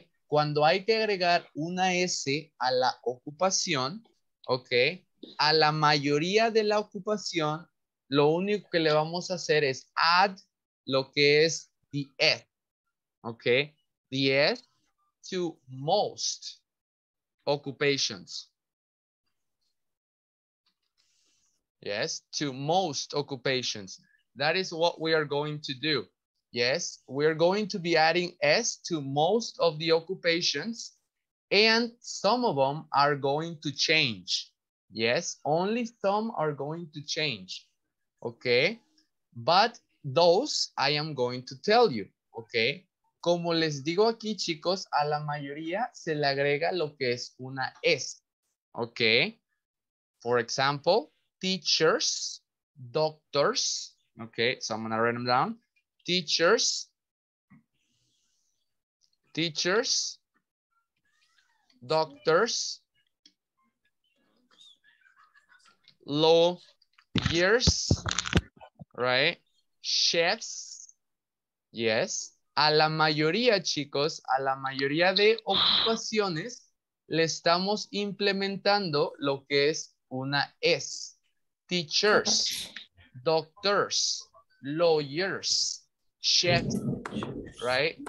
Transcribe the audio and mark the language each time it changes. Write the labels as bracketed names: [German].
[Spanish] Cuando hay que agregar una S a la ocupación, ¿ok? A la mayoría de la ocupación, lo único que le vamos a hacer es add lo que es the S, ¿ok? [English] The S to most occupations. Yes, to most occupations. That is what we are going to do. Yes, we are going to be adding S to most of the occupations, and some of them are going to change. Yes, only some are going to change. Okay, but those I am going to tell you. [Spanish] Okay, como les digo aquí, chicos, a la mayoría se le agrega lo que es una S. [English] Okay, for example, teachers, doctors. Okay, so I'm gonna write them down. Teachers, teachers, doctors, lawyers, right? Chefs, yes. [Spanish] A la mayoría, chicos, a la mayoría de ocupaciones le estamos implementando lo que es una S. [English] Teachers, doctors, lawyers, chefs, right?